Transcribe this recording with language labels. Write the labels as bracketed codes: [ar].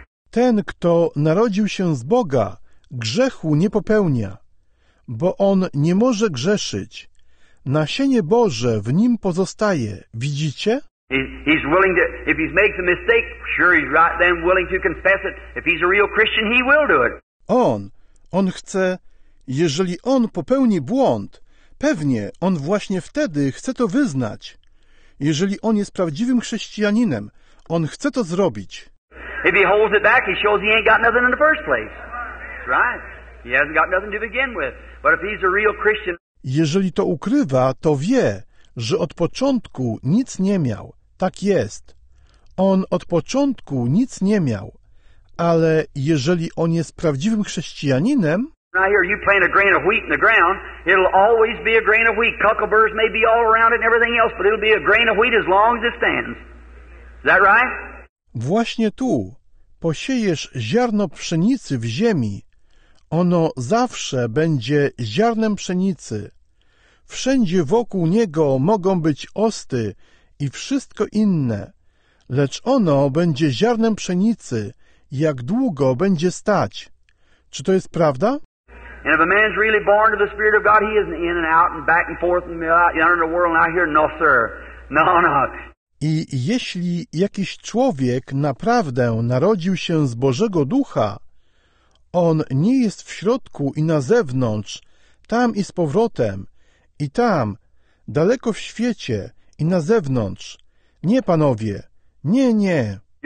[pl] Ten, kto narodził się z Boga, grzechu nie popełnia, bo on nie może grzeszyć. Nasienie Boże w nim pozostaje. Widzicie? [en] He's willing to, if he makes a mistake, sure he's right then willing to confess it. If he's a real Christian, he will do it. [pl] On chce, jeżeli on popełni błąd, pewnie on właśnie wtedy chce to wyznać. Jeżeli on jest prawdziwym chrześcijaninem, on chce to zrobić. [en] If he holds it back, he shows he ain't got nothing in the first place. That's right. He hasn't got nothing to begin with. But if he's a real Christian... [pl] Jeżeli to ukrywa, to wie, że od początku nic nie miał. Tak jest. On od początku nic nie miał. Ale jeżeli on jest prawdziwym chrześcijaninem... [en] I hear you plant a grain of wheat in the ground. It'll always be a grain of wheat. Cuckleburrs may be all around it and everything else, but it'll be a grain of wheat as long as it stands. Is that right? [pl] Właśnie tu posiejesz ziarno pszenicy w ziemi. Ono zawsze będzie ziarnem pszenicy. Wszędzie wokół niego mogą być osty i wszystko inne, lecz ono będzie ziarnem pszenicy, jak długo będzie stać. Czy to jest prawda? [en] And if a man's really born of the Spirit of God, he isn't in and out and back and forth and out in the world and out here, no sir, no, no. [pl] I jeśli jakiś człowiek naprawdę narodził się z Bożego Ducha, on nie jest w środku i na zewnątrz, tam i z powrotem, i tam, daleko w świecie i na zewnątrz. Nie, panowie, nie, nie.